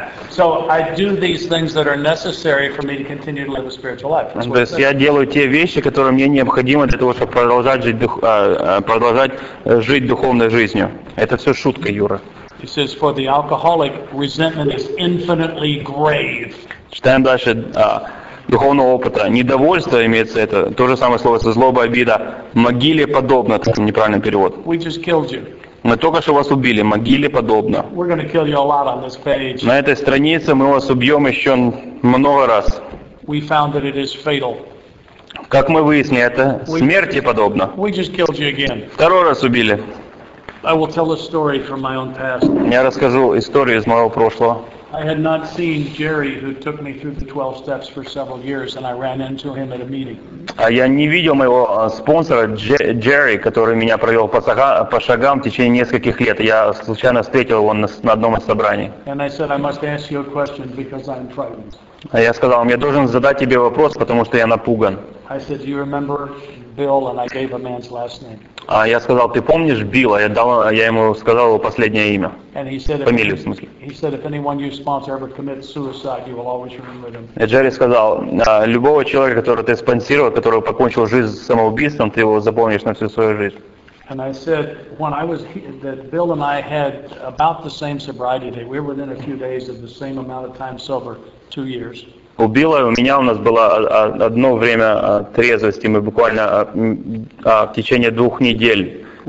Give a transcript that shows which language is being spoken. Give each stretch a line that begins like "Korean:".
English: So I do these things that are necessary for me to continue to live a spiritual life.
Russian: То есть я делаю те вещи, которые мне необходимы для того, чтобы продолжать жить духовной жизнью. Это все шутка, Юра.
English: He says, for the alcoholic, resentment is infinitely grave.
Russian: Читаем дальше. Духовного опыта. Недовольство имеется это. То же самое слово, злоба, обида. Могиле подобно. Это неправильный перевод.
English: We just killed you.
Russian: Мы только что вас убили. Могиле подобно.
English: We're going to kill you a lot on this page.
Russian: На этой странице мы вас убьем еще много раз.
English: We found that it is fatal.
Russian: Как мы выяснили, это смерти подобно.
English: We just killed you again.
Russian: Второй раз убили.
English: I will tell a story from my own past.
Russian: Я расскажу историю из моего прошлого.
English: I had not seen Jerry, who took me through the 12 steps for several years, and I ran into him at a meeting.
Russian: Я не видел моего спонсора Джерри, который меня провел по шагам в течение нескольких лет. Я случайно встретил его на одном из собраний.
English: And I said, I must ask you a question because I'm frightened.
Russian: Я сказал, я должен задать тебе вопрос, потому что я напуган.
English: I said, do you remember Bill? And I gave a man's last name.
Russian: Я сказал, ты помнишь Билла? Я ему сказал его последнее имя.
English: And he said,
Russian: фамилию, в смысле.
English: He said, if anyone you sponsor ever commits suicide, you will always remember them.
Russian: И Джерри сказал, любого человека, которого ты спонсировал, которого покончил жизнь самоубийством, ты его запомнишь на всю свою жизнь.
English: And I said, when I was that Bill and I had about the same sobriety date. We were within a few days of the same amount of time sober, 2 years.
Russian: У Билла и у меня у нас было одно время трезвости, мы буквально в течение 2 недель.